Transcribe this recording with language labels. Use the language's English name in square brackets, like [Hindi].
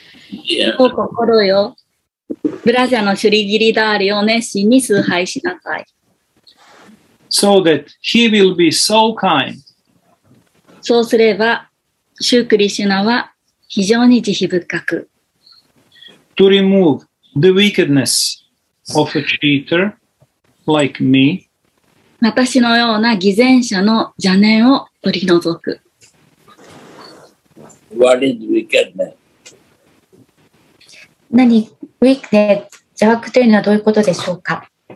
[Japanese] Yeah. 心よ。ブラジャのシュリギリダーリを熱心に崇拝しなさい。 [English] So that he will be so kind. [Japanese] そうすれば、シュークリシュナは非常に慈悲深く。 [English] To remove the wickedness of a cheater like me. [Japanese] 私のような偽善者の邪念を取り除く。 [English] What is wickedness? [Japanese] 何、wickedness、邪悪というのはどういうことでしょうか？